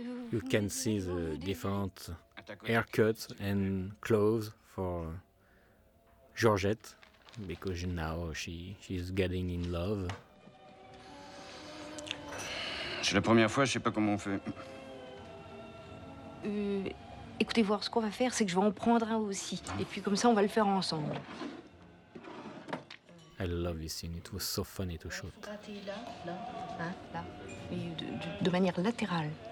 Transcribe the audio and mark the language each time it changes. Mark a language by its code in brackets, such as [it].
[en] You can see the different haircuts and clothes for Georgette, because now she's getting in love. [fr] C'est la première fois, je sais pas comment on fait. Écoutez voir, ce qu'on va faire, c'est que je vais en prendre un aussi. Et puis comme ça, on va le faire ensemble. [en] I love this scene, it was so funny to shoot. [fr] Là, hein, là. De manière latérale.